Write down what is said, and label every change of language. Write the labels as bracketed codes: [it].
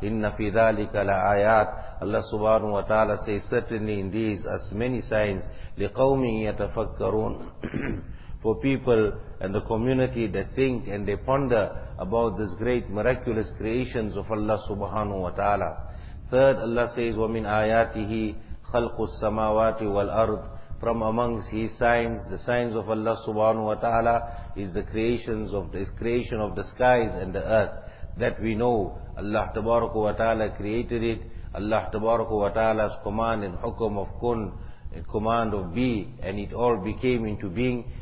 [ar] Inna fi dhalika la ayat. [en] Allah subhanahu wa ta'ala says, certainly in these as many signs, [ar] liqawmin yatafakkarun. [en] For people and the community that think and they ponder about this great miraculous creations of Allah subhanahu wa ta'ala. Third, Allah says, [ar] وَمِنْ آيَاتِهِ خَلْقُ السَّمَاوَاتِ وَالْأَرْضِ. [en] From amongst His signs, the signs of Allah subhanahu wa ta'ala is the creations of His creation of the skies and the earth. That we know, Allah tabaraka wa ta'ala created it. Allah tabaraka wa ta'ala's command and hukum of kun, a command of be, and it all became into being.